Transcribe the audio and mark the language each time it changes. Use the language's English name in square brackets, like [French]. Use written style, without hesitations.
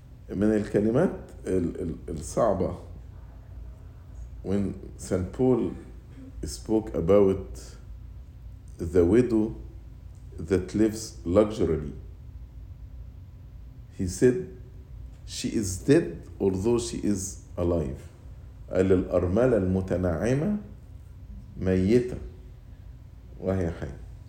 [Arabic] من الكلمات الصعبة [English] when St. Paul spoke about the widow that lives luxuriously, he said she is dead although she is alive. [Arabic] قال الأرملة المتنعمة ميتة وهي حية.